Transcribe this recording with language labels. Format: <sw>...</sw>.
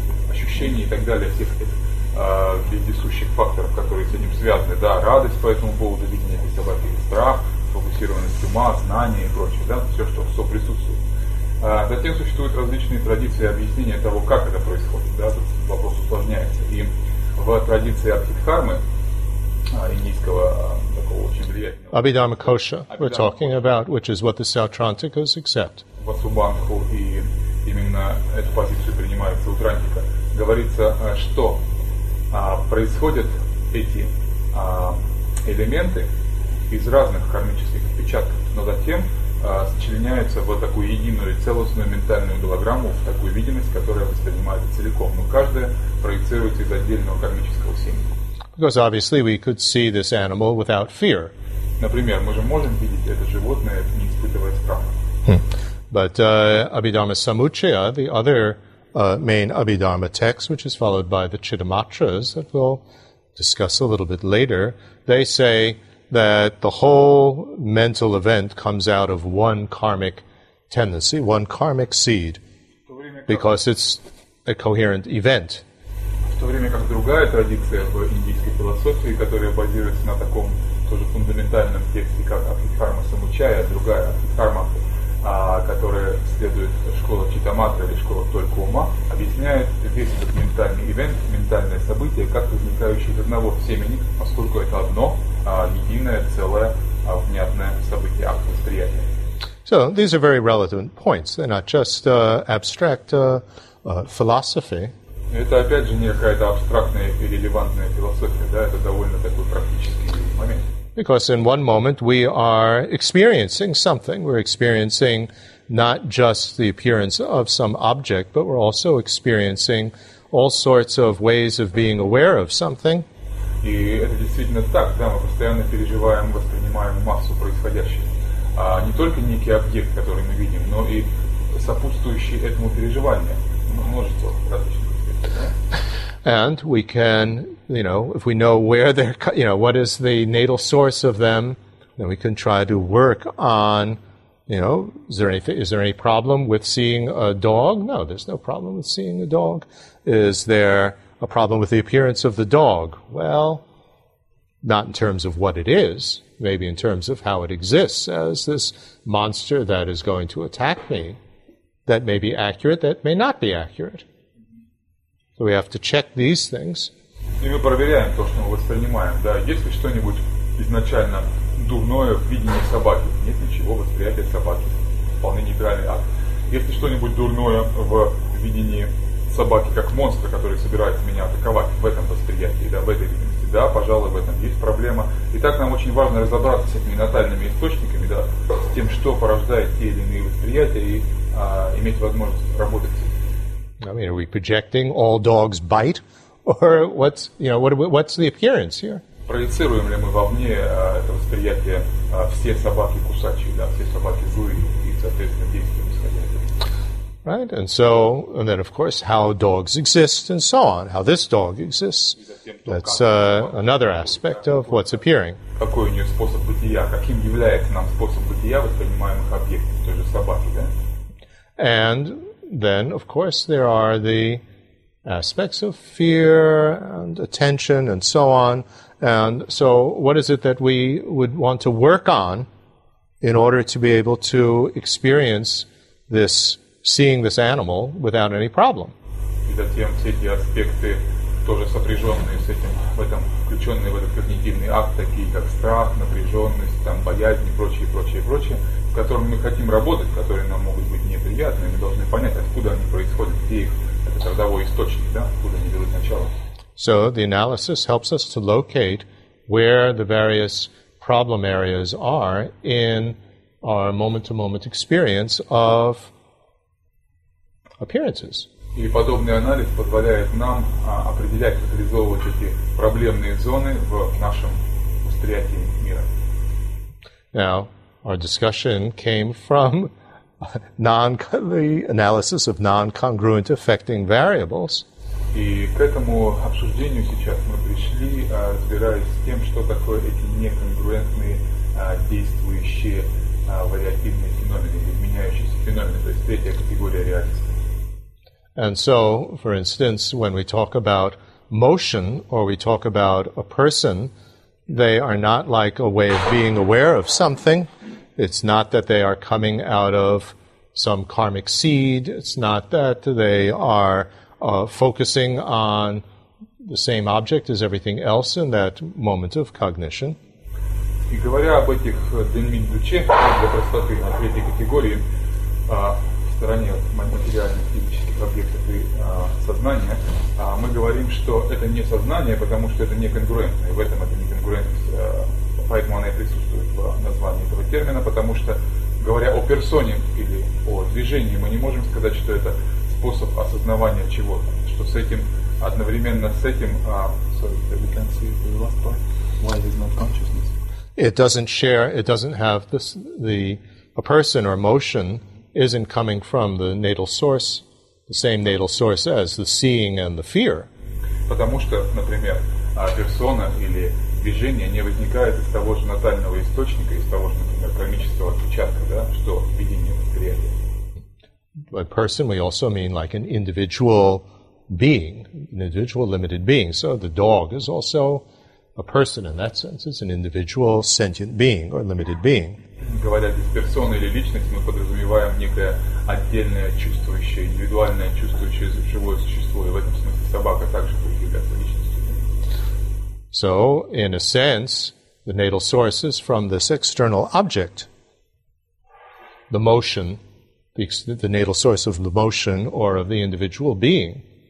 <ru>Ощущения и так далее, всех этих вездесущих факторов, которые с этим связаны, да, радость по этому поводу, видение этой собаки, страх, фокусированность ума, знание и прочее, да, все, что все присутствует. Затем существуют различные традиции объяснения того, как это происходит, да, тут вопрос усложняется. И в традиции Абхидхармы, индийского такого очень влиятельного...</ru> <en>Abhidharma Kosha, we're talking about, which is what the Sautrantikas accept.</en> <ru>Васубанху, и именно эту позицию принимает Сутрантика. Говорится, что происходят эти элементы из разных кармических отпечатков, но затем сочленяются в такую единую целостную ментальную голограмму, в такую видимость, которая воспринимается целиком. Но каждая проецируется из отдельного кармического семени.</ru> <en>Because obviously we could see this animal without fear.</en> <ru>Например, мы же можем видеть это животное, не испытывая страха.</ru> <en>But Abhidharma Samuchaya, the other main Abhidharma text, which is followed by the Chittamatras that we'll discuss a little bit later, they say that the whole mental event comes out of one karmic tendency, one karmic seed, because it's a coherent event.</en> <ru>В то время как другая традиция в индийской философии, которая базируется на таком тоже фундаментальном тексте, как Абхидхарма Самучая, другая Абхидхарма, которая следует школа Читаматра или школа только ума, объясняет весь этот ментальный ивент, ментальное событие, как возникающее из одного семени, поскольку это одно, единое, целое, внятное событие, акт восприятия.</ru> <en>So, these are very relevant points. They're not just abstract philosophy.</en> <ru>Это, опять же, не какая-то абстрактная и релевантная философия, да, это довольно такой практический момент.</ru> <en>Because in one moment we are experiencing something. We're experiencing not just the appearance of some object, but we're also experiencing all sorts of ways of being aware of something.</en> <ru>И это действительно так, да, мы постоянно переживаем, воспринимаем массу происходящего. Не только некий объект, который мы видим, но и сопутствующие этому переживания. Множество различных аспектов, да?</ru> <en>And we can, you know, if we know where they're, you know, what is the natal source of them, then we can try to work on, you know, is there any problem with seeing a dog? No, there's no problem with seeing a dog. Is there a problem with the appearance of the dog? Well, not in terms of what it is, maybe in terms of how it exists as this monster that is going to attack me. That may be accurate, that may not be accurate. So we have to check these things.</en> <ru>И мы проверяем то, что мы воспринимаем. Да, есть ли что-нибудь изначально дурное в видении собаки? Нет ничего в восприятии собаки. Вполне нейтральный акт. Есть ли что-нибудь дурное в видении собаки как монстра, который собирается меня атаковать в этом восприятии, да, в этой видимости? Да, пожалуй, в этом есть проблема. Итак, нам очень важно разобраться с этими натальными источниками, да, с тем, что порождает те или иные восприятия, и иметь возможность работать с этим.</ru> <en>I mean, are we projecting all dogs bite, or what's, you know, what's the appearance here?</en> <ru>проецируем ли мы вовне это восприятие все собаки кусачие, да, все собаки злые, и, соответственно, действуем исходя из этого.</ru> <en>Right, and so, and then, of course, how dogs exist and so on, how this dog exists, that's another aspect of what's appearing.</en> <ru>Какой у нее способ бытия, каким является нам способ бытия воспринимаемых объектов, той же собаки, да?</ru> <en>And then, of course, there are the aspects of fear and attention and so on. And so what is it that we would want to work on in order to be able to experience this, seeing this animal without any problem?</en> <ru>И затем все эти аспекты, тоже сопряженные с этим, в этом, включенные в этот когнитивный акт, такие как страх, напряженность, там, боязнь и прочее, прочее, прочее, в котором мы хотим работать, которые нам могут быть неприятны, мы должны понять, откуда они происходят, где их, этот родовой источник, да, откуда они берут начало.</ru> <en>So the analysis helps us to locate where the various problem areas are in our moment-to-moment experience of appearances.</en> <ru>И подобный анализ позволяет нам определять, локализовывать эти проблемные зоны в нашем восприятии мира.</ru> <en>Now, our discussion came from the analysis of non-congruent affecting variables.</en> <ru>И к этому обсуждению сейчас мы пришли, разбираясь с тем, что такое эти неконгруентные действующие вариативные феномены, изменяющиеся феномены, то есть третья категория реальности.</ru> <en>And so, for instance, when we talk about motion or we talk about a person, they are not like a way of being aware of something. It's not that they are coming out of some karmic seed. It's not that they are focusing on the same object as everything else in that moment of cognition.</en> <ru>И говоря об этих дэнминдуче, для простоты, о третьей категории, в стороне материальных физических объектов и сознания, мы говорим, что это не сознание, потому что это не конгруентно, и в этом это не конгруентность, поэтому она и присутствует в названии этого термина, потому что, говоря о персоне или о движении, мы не можем сказать, что это способ осознавания чего-то, что с этим, одновременно с этим,</ru> <en>we can see the last part, why is not consciousness? It doesn't share, it doesn't have this, a person or motion isn't coming from the natal source, the same natal source as the seeing and the fear.</en> <ru>Потому что, например, персона или движение не возникает из того же натального источника, из того же, например, кармического отпечатка, да, что видение восприятия.</ru> <en>By person we also mean like an individual being, an individual limited being. So the dog is also a person in that sense. It's an individual sentient being or limited being.</en> <ru>Говоря здесь персона или личность, мы подразумеваем некое отдельное чувствующее, индивидуальное чувствующее живое существо, и в этом смысле собака также будет являться личностью.</ru> <en>So, in a sense, the natal source is from this external object, the motion, the natal source of the motion or of the individual being.</en>